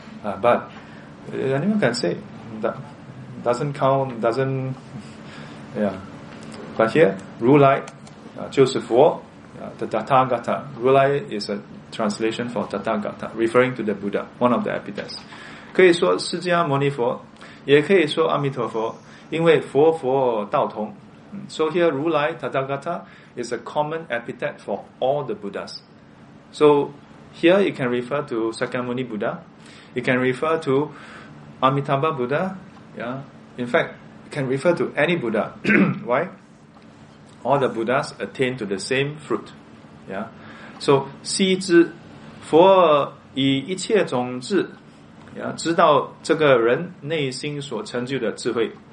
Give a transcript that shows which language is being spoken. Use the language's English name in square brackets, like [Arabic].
[English] But anyone can say that doesn't count, doesn't, yeah. But here, Ru Lai, [Chinese] 就是佛, [English] the Tathagata. Ru Lai is a translation for Tathagata, referring to the Buddha, one of the epithets. [Chinese] 可以说释迦牟尼佛，也可以说阿弥陀佛，因为佛佛道同。 [English] So here, Ru Lai, Tathagata is a common epithet for all the Buddhas. So here, you can refer to Sakyamuni Buddha, you can refer to Amitabha Buddha, yeah. In fact, you can refer to any Buddha. Why? All the Buddhas attain to the same fruit. Yeah. [Chinese] So, 悉知佛以一切种智，知道这个人内心所成就的智慧。